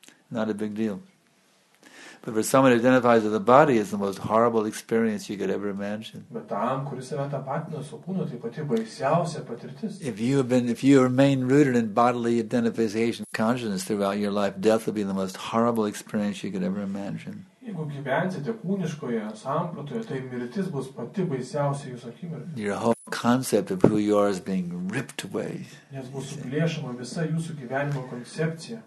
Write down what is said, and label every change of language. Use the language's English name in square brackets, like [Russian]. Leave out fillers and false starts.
[English] Not a big deal. But for someone who identifies with the body, it's the most horrible experience you could ever imagine. [Lithuanian] Bet tam, kuris yra tapatina su kūnu, tai pati baisiausia patirtis. [English] If you remain rooted in bodily identification consciousness throughout your life, death will be the most horrible experience you could ever imagine. [Lithuanian] Jeigu gyvensite kūniškoje sampratoje, tai mirtis bus pati baisiausia jūsų akimirka. [English] Your whole concept of who you are is being ripped away. [Lithuanian] Nes bus suplėšama visa jūsų gyvenimo koncepcija.